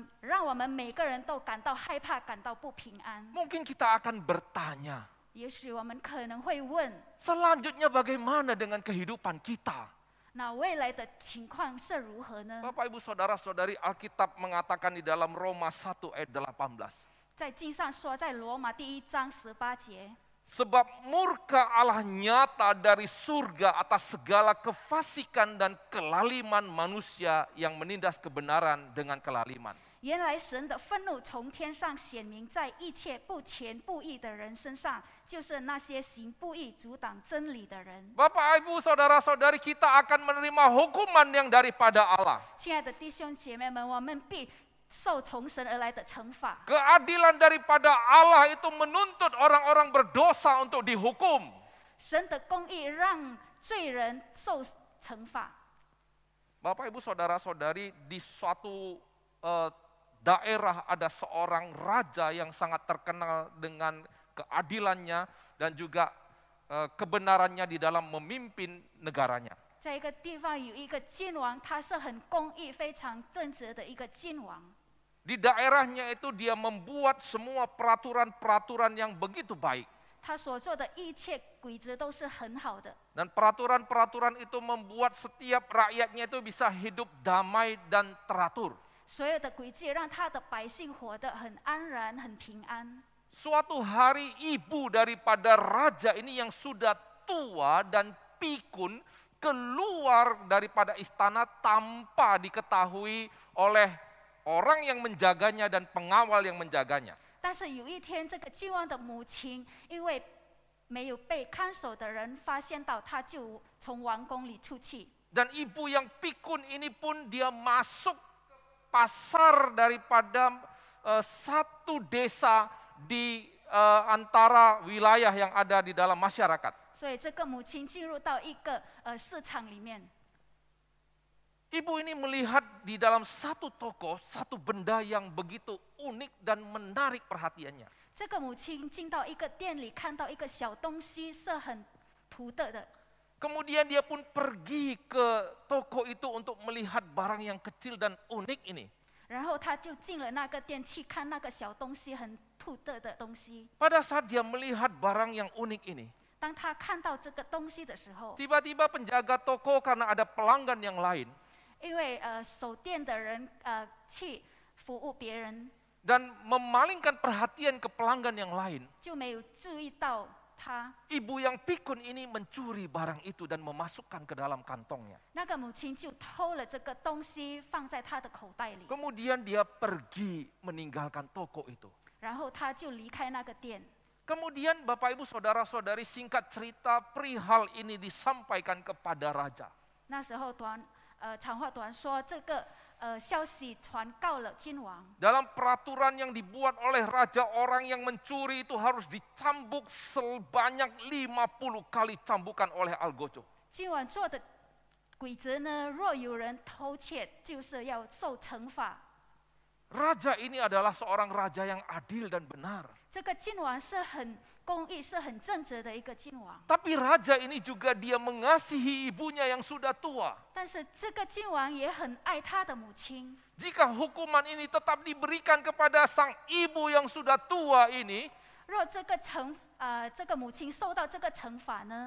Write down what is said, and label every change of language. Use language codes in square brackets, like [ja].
[zh] 罪的后果呢,是让我们每个人都感到害怕,感到不平安. [id] Mungkin kita akan bertanya, [zh] 也许我们可能会问, [id] selanjutnya bagaimana dengan kehidupan kita? [zh] 那未来的情况是如何呢? [id] Bapak Ibu Saudara Saudari, Alkitab mengatakan di dalam Roma 1 ayat 18, [zh] 在经上说，在罗马第一章十八节。 [id] Sebab murka Allah nyata dari surga atas segala kefasikan dan kelaliman manusia yang menindas kebenaran dengan kelaliman. [zh] 原来神的愤怒从天上显明在一切不虔不义的人身上，就是那些行不义、阻挡真理的人。 [id] Bapak, Ibu, saudara-saudari, kita akan menerima hukuman yang daripada Allah. [zh] 亲爱的弟兄姐妹们，我们必受从神而来的惩罚。 [id] Keadilan daripada Allah itu menuntut orang-orang berdosa untuk dihukum. [zh] 神的公义让罪人受惩罚。 [id] Bapak, Ibu, saudara-saudari, di suatu daerah ada seorang raja yang sangat terkenal dengan keadilannya dan juga kebenarannya di dalam memimpin negaranya. [zh] 在一个地方有一个君王，他是很公义、非常正直的一个君王。 [id] Di daerahnya itu dia membuat semua peraturan-peraturan yang begitu baik. [zh] 他所做的一切规则都是很好的。 [id] Dan peraturan-peraturan itu membuat setiap rakyatnya itu bisa hidup damai dan teratur. [zh] 所有的规矩让他的百姓活得很安然、很平安。 [id] Suatu hari ibu daripada raja ini yang sudah tua dan pikun keluar daripada istana tanpa diketahui oleh orang yang menjaganya dan pengawal yang menjaganya. [zh] 但是有一天，这个君王的母亲因为没有被看守的人发现到，他就从王宫里出去。 [id] Dan ibu yang pikun ini pun dia masuk pasar daripada satu desa di antara wilayah yang ada di dalam masyarakat. [zh] 所以这个母亲进入到一个市场里面。 [id] Ibu ini melihat di dalam satu toko satu benda yang begitu unik dan menarik perhatiannya. [zh] 这个母亲进到一个店里，看到一个小东西是很独特的。 [id] Kemudian dia pun pergi ke toko itu untuk melihat barang yang kecil dan unik ini. [zh] 然后他就进了那个店去看那个小东西很独特的东西。 [id] Pada saat dia melihat barang yang unik ini. [zh] 当他看到这个东西的时候 [id] ，tiba-tiba penjaga toko karena ada pelanggan yang lain， [zh] 因为守店的人去服务别人 [id] ，dan memalingkan perhatian ke pelanggan yang lain， [zh] 就没有注意到他。 [id] Ibu yang pikun ini mencuri barang itu dan memasukkan ke dalam kantongnya。 [zh] 那个母亲就偷了这个东西放在他的口袋里。 [id] Kemudian dia pergi meninggalkan toko itu。 [zh] 然后他就离开那个店。 [id] Kemudian Bapak Ibu Saudara Saudari singkat cerita perihal ini disampaikan kepada Raja. [zh] 那时候短长话短说这个消息传告了君王。 [id] Dalam peraturan yang dibuat oleh Raja orang yang mencuri itu harus dicambuk sebanyak 50 kali cambukan oleh Algojo. [zh] 君王做的规则呢若有人偷窃就是要受惩罚。 [id] Raja ini adalah seorang raja yang adil dan benar. [zh] 这个君王是很公义，是很正直的一个君王。 [id] Tapi raja ini juga dia mengasihi ibunya yang sudah tua. [zh] 但是这个君王也很爱他的母亲。 [id] Jika hukuman ini tetap diberikan kepada sang ibu yang sudah tua ini, [zh] 若这个惩这个母亲受到这个惩罚呢？